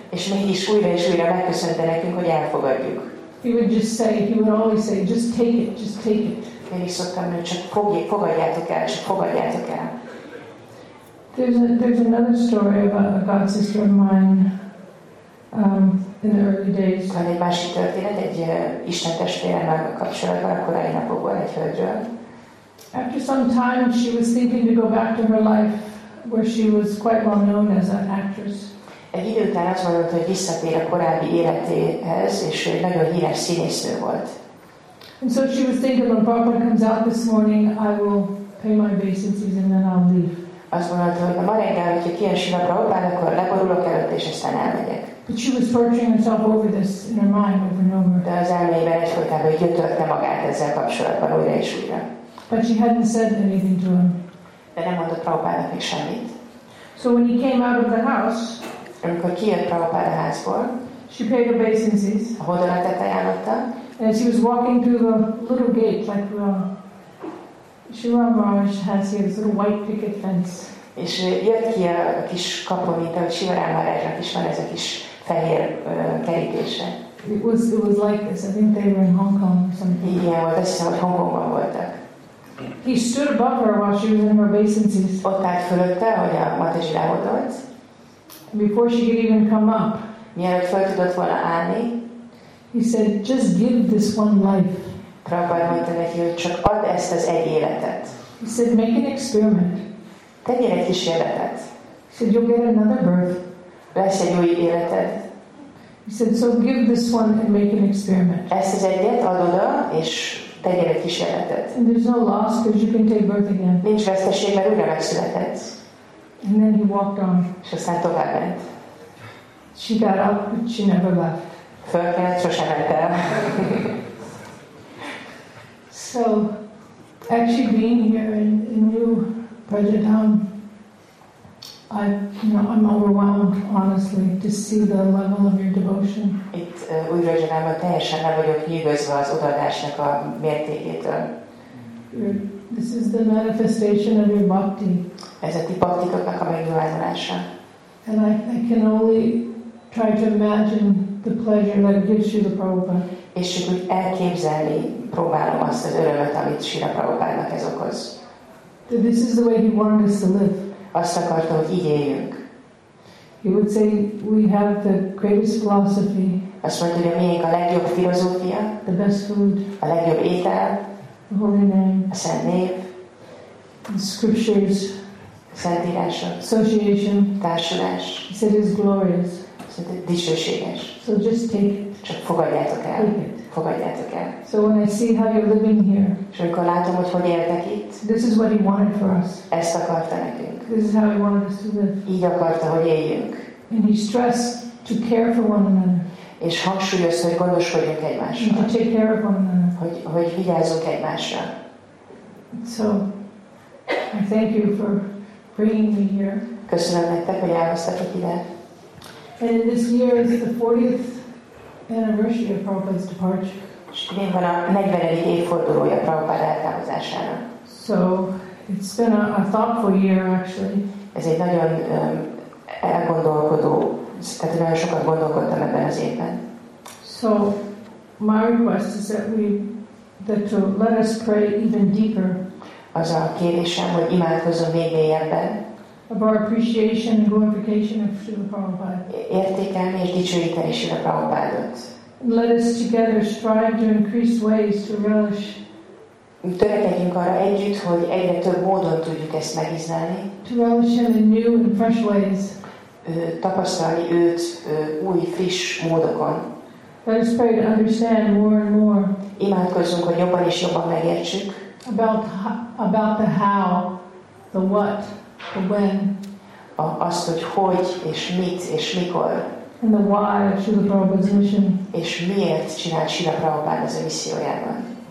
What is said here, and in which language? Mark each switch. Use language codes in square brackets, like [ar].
[hu] És mégis újra és újra megköszönte nekünk, hogy elfogadjuk. [en] He would just say, he would always say, just take it, just take it. [hu] Én is szoktam, hogy csak fogadjátok el, csak fogadjátok el. [en] There's another story about a god sister of mine in the early days. [hu] Van egy másik történet, egy Isten testvéremmel kapcsolatban, a korai napokban egy hölgyről. [en] After some time, she was thinking to go back to her life where she was quite well known as an actress. [hu] Egy idő után azt mondott, hogy visszatér a korábbi életéhez, és ő nagyon híres színésznő volt. [en] And so she was thinking, when Prabhupada comes out this morning, I will pay my obeisances and then I'll leave. [hu] Azt mondott, hogy ma reggel, hogyha kijön Srila Prabhupada, akkor leborulok előtt, és aztán elmegyek. [en] But she was torturing herself over this in her mind over and over. [hu] De az elmében egyfolytában gyötörte magát ezzel kapcsolatban újra és újra. [en] But she hadn't said anything to him. [hu] De nem mondott Prabhupádnak még semmit. [en] So when he came out of the house, [hu] amikor kijött Prabhupád a házból, [en] she paid obeisances. [hu] A hódolatát ajánlotta. [en] And she was walking through the little gate, like the Srila Maharaj has here, this little white picket fence. [hu] És jött ki a kis kapu, mint ahogy Srila Maharajnak is van ez a kis fehér kerítése. [en] It was like this. I think they were in Hong Kong or something. [hu] Igen, volt, azt hiszem, hogy Hong Kongban voltak. [en] He stood above her while she was in her obeisances. [hu] Ott állt fölötte, hogy a Mataji lehódolt. [en] Before she could even come up, [hu] mielőtt föl tudott volna állni, [en] he said, just give this one life. [hu] Prabhupada mondta neki, hogy csak add ezt az egy életet. [en] He said, make an experiment. [hu] Tegyél egy kísérletet. [en] He said, you'll get another birth. [hu] Lesz egy új életed. [en] He said, so give this one and make an experiment. [hu] Ezt az egyet add oda, és tegyél egy kísérletet. [en] And there's no loss because you can take birth again. [hu] Nincs veszteség, mert újra megszülethetsz. [en] And then he walked on. [hu] És aztán tovább ment. [en] She got up, but she never left. [hu] Fölkelt, sosem ment el. [en] So, actually being here in New Prajadham, I'm overwhelmed, honestly, to see the level of your devotion. [hu] Itt Új Prajadhamban teljesen nem vagyok nyűgözve az odaadásnak a mértékétől. [en] This is the manifestation of your bhakti. [hu] Ez a ti bhaktitoknak a megnyilvánulása. [en] And I can only try to imagine the pleasure that gives you the Prabhupada. [hu] És csak úgy elképzelni próbálom azt az örömet, amit Srila Prabhupádnak ez okoz. [en] That this is the way he wanted us to live. [hu] azt akarta, hogy így éljünk. [en] He would say, we have the greatest philosophy. [hu] Azt mondta, hogy a miénk a legjobb filozófia. [en] The best food. [hu] A legjobb étel. [en] The holy name. [hu] A szent név. [en] The scriptures. [hu] Szentírása. [en] Association. [hu] Társulás. [en] He said, it is glorious. [hu] Dicsőséges. [en] So just take it. [hu] Csak fogadjátok el. [en] Take it. [hu] Fogadjátok el. [en] So when I see how you're living here. [hu] És amikor látom, hogy hogy éltek itt. [en] This is what he wanted for us. [hu] Ezt akarta nekünk. [en] This is how he wanted us to live. [hu] Így akarta, hogy éljünk. [en] And he stressed to care for one another. [hu] És hangsúlyozta, hogy gondoskodjunk egymásra. [en] And to take care of one another. [hu] Hogy vigyázzunk egymásra. [en] So, I thank you for bringing me here. [hu] Köszönöm nektek, hogy elhoztatok ide. [en] And this year is the 40th anniversary of Prabhupada's departure. [hu] És van a 40. évfordulója Prabhupada eltávozásának. [en] So it's been a thoughtful year actually. [hu] Ez egy nagyon elgondolkodó, tehát nagyon sokat gondolkodtam ebben az évben. [en] So my request is that to let us pray even deeper. [hu] Az a kérésem, hogy imádkozzon még mélyebben. [en] Of our appreciation and glorification of Srila Prabhupada. [hu] Értékelni és dicsőíteni Srila Prabhupádot. [en] Let us together strive to increase ways to relish. [hu] Törekedjünk arra együtt, hogy egyre több módon tudjuk ezt megízlelni. [en] To relish him in new and fresh ways. [hu] Tapasztalni őt új, friss módokon. [en] Let us pray to understand more and more. [hu] Imádkozzunk, hogy jobban és jobban megértsük. [en] About the how, the what. The when, [hu] azt, hogy hogy és mit és mikor, [en] and the why of Srila Prabhupada's mission, [hu] és miért csinált Srila Prabhupada az a missziójában.